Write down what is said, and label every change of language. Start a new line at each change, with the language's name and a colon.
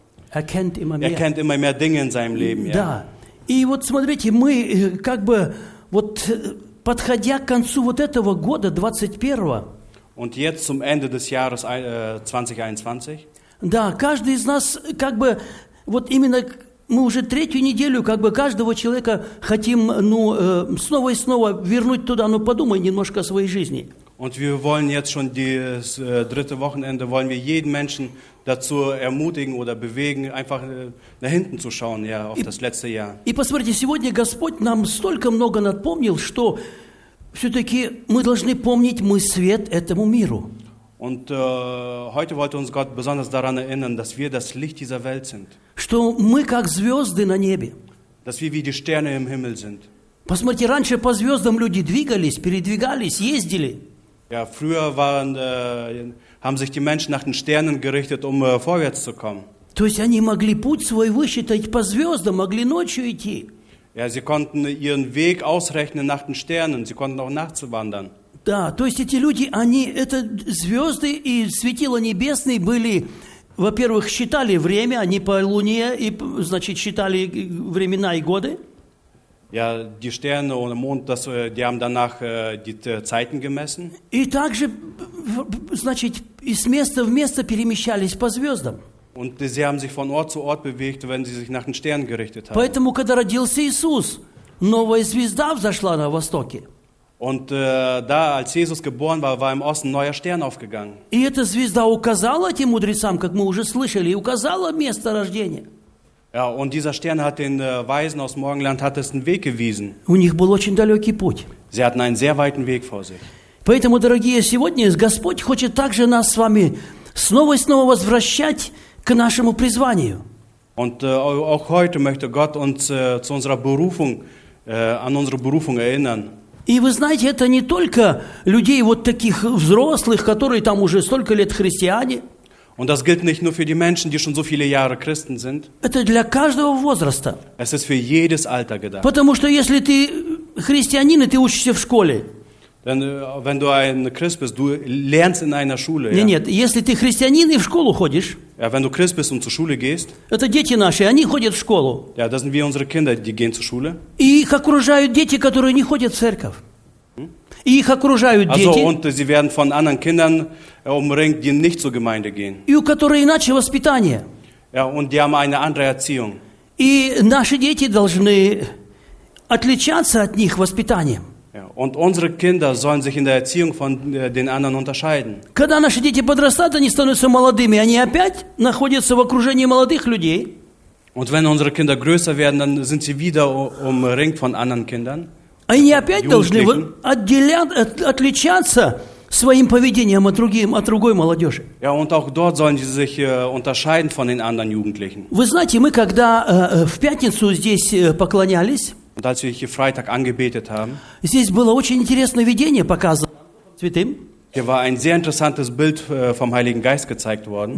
German: Er kennt immer mehr Dinge in seinem Leben.
Russian: Да. И вот смотрите, мы как бы вот подходя к концу вот этого года, 21-го.
German: Und jetzt zum Ende des Jahres 2021.
Russian: Да, каждый из нас как бы вот именно мы уже третью неделю как бы каждого человека хотим снова и снова вернуть туда, подумай немножко о своей жизни.
German: Und wir wollen jetzt schon das dritte Wochenende, wollen wir jeden Menschen dazu ermutigen oder bewegen, einfach nach hinten zu schauen, ja, auf das letzte Jahr.
Russian: И посмотрите, сегодня Господь нам столько много напомнил, что все-таки мы должны помнить, мы свет этому миру.
German: Und heute wollte uns Gott besonders daran erinnern, dass wir das Licht dieser Welt sind.
Russian: Что мы как звезды на небе.
German: Dass wir wie die Sterne im Himmel sind.
Russian: Посмотрите, раньше по звездам люди двигались, передвигались, ездили.
German: Ja, früher haben sich die Menschen nach den Sternen gerichtet, um vorwärts zu kommen.
Russian: То есть они могли путь свой высчитать по звездам, могли ночью идти.
German: Ja, sie konnten ihren Weg ausrechnen nach den Sternen, sie konnten auch nachts wandern.
Russian: Да, то есть эти люди, они, это звезды и светила небесные были, во-первых, считали время, они по луне, и, значит, считали времена и годы.
German: Ja, die Sterne und Mond, die haben danach die Zeiten gemessen.
Russian: И также, значит, из места в место перемещались по звездам.
German: Und sie haben sich von Ort zu Ort bewegt, wenn sie sich nach den Sternen gerichtet haben.
Russian: Поэтому, когда родился Иисус, новая звезда взошла на востоке.
German: Und da, als Jesus geboren war, war im Osten ein neuer Stern aufgegangen.
Russian: И эта звезда указала этим мудрецам, как мы уже слышали, указала место рождения.
German: Ja, und dieser Stern hat den Weisen aus Morgenland hat es einen Weg gewiesen.
Russian: У них был очень далекий путь.
German: Sie hatten einen sehr weiten Weg vor sich.
Russian: Поэтому, дорогие, сегодня Господь хочет также нас с вами снова и снова возвращать к нашему призванию.
German: Und auch heute möchte Gott uns zu unserer Berufung, an unsere Berufung erinnern.
Russian: И вы знаете, это не только людей вот таких взрослых, которые там уже столько лет христиане.
German: Und das gilt nicht nur für die Menschen, die schon so viele Jahre Christen sind.
Russian: Это для каждого возраста.
German: Es ist für jedes Alter gedacht.
Russian: Потому что если ты христианин, и ты учишься в школе.
German: Denn wenn du ein Christ bist, du lernst in einer Schule.
Russian: Нет, нет, если ты христианин и в школу ходишь.
German: Ja, wenn du Christ bist und zur Schule gehst.
Russian: Это дети наши, они ходят в школу.
German: Ja, das sind wir unsere Kinder, die gehen zur Schule.
Russian: И их окружают дети, которые не ходят в церковь. И их окружают
German: also,
Russian: дети.
German: Also und sie werden von anderen Kindern umringt, die nicht zur Gemeinde gehen.
Russian: И у которых иначе воспитание.
German: Ja, und die haben eine andere Erziehung.
Russian: И наши дети должны отличаться от них воспитанием.
German: Ja, und unsere Kinder sollen sich in der Erziehung von den anderen unterscheiden.
Russian: Когда наши дети подрастают, они становятся молодыми, они опять находятся в окружении молодых людей.
German: Und wenn unsere Kinder größer werden, dann sind sie wieder umringt von anderen Kindern.
Russian: Они опять должны отличаться своим поведением от другой молодежи.
German: Ja, und auch dort sollen sie sich unterscheiden von den anderen Jugendlichen.
Russian: Вы знаете, мы когда в пятницу здесь поклонялись,
German: und als wir hier Freitag angebetet haben,
Russian: здесь было очень интересное видение показано святым.
German: Hier war ein sehr interessantes Bild vom Heiligen Geist gezeigt worden.